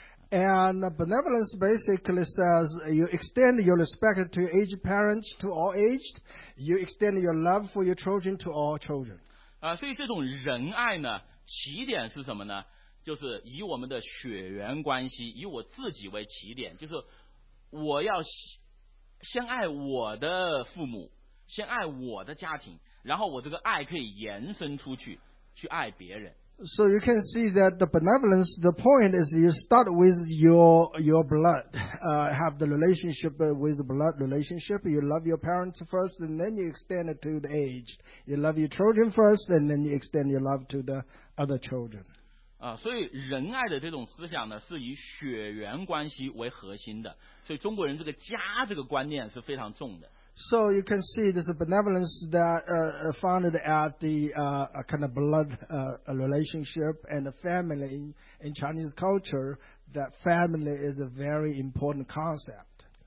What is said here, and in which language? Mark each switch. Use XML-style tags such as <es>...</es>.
<en>And benevolence basically says you extend your respect to your aged parents to all aged, you extend your love for your children to all children.</en> <zh>所以这种仁爱呢，起点是什么呢？就是以我们的血缘关系，以我自己为起点，就是我要先爱我的父母，先爱我的家庭，然后我这个爱可以延伸出去，去爱别人。</zh> <en>So you can see that the benevolence, the point is you start with your blood, have the relationship with the blood relationship. You love your parents first, and then you extend it to the aged. You love your children first, and then you extend your love to the other children.</en> <zh>所以仁爱的这种思想呢，是以血缘关系为核心的。所以中国人这个家这个观念是非常重的。</zh> <en>So you can see this benevolence that founded at the kind of blood relationship and the family in Chinese culture, that family is a very important concept.</en>